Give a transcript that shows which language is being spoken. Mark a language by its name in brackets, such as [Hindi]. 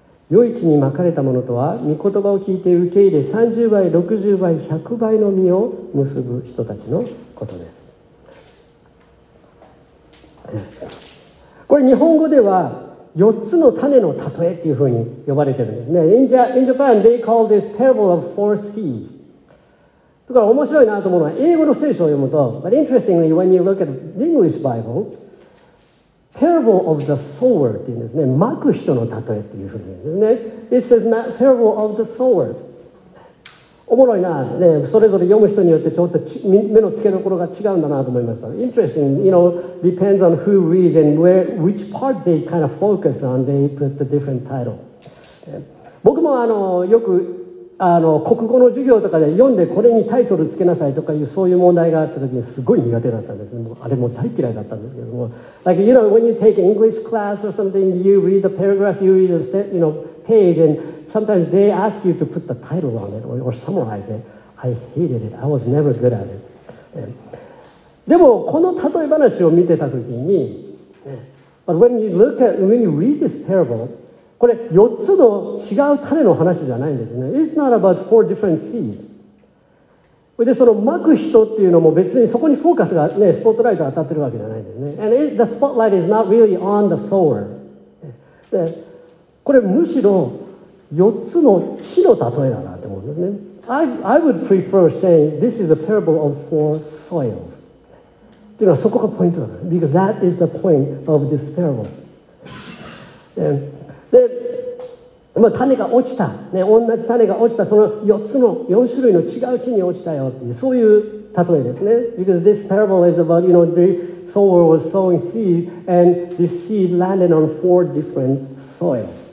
[Japanese] 良い地にまかれたものとは御言葉を聞いて受け入れ30倍60倍100倍の実を結ぶ人たちのことです。これ日本語では4つの種の例えっていうふうに呼ばれてるんですね。 [English] In Japan, they call this parable of four seeds. [Japanese] だから面白いなと思うのは、英語の聖書を読むと、 [English] But interestingly, when you look at the English Bible, parable of the sower [Japanese] っていうんですね。まく人の例えっていうふうに言うんですね。 [English] It says parable of the sower. [Japanese] おもろいな、ね。それぞれ読む人によってちょっと目の付けどころが違うんだなと思いました。 [English] Interesting, you know, depends on who reads and where, which part they kind of focus on, they put the different title. [Japanese] 僕もよく国語の授業とかで読んでこれにタイトルつけなさいとかいうそういう問題があった時にすごい苦手だったんです。もうあれも大嫌いだったんですけども。 [English] Like, you know, when you take an English class or something, you read the paragraph, you read the, you know, page andSometimes they ask you to put the title on it or summarize it. I hated it. I was never good at it. [Japanese] でもこの例え話を見てた時に、 [English] But when you look at, when you read this parable, [Japanese] これ4つの違う種の話じゃないんですね。 [English] It's not about four different seeds. [Japanese] で、その撒く人っていうのも別にそこにフォーカスがね、スポットライト当たってるわけじゃないんですね。 [English] And it, the spotlight is not really on the sower. [Japanese] で、これむしろ4つの地の例えだなって思うんですね。 [English] I would prefer saying this is a parable of four soils. [Japanese] っていうのはそこがポイントだ。 [English] Because that is the point of this parable. [Japanese] で、まあ、種が落ちた、ね。同じ種が落ちた、その4つの、4種類の違う地に落ちたよっていう、そういう例えですね。 [English] Because this parable is about, you know, the sower was sowing seed and the seed landed on four different soils.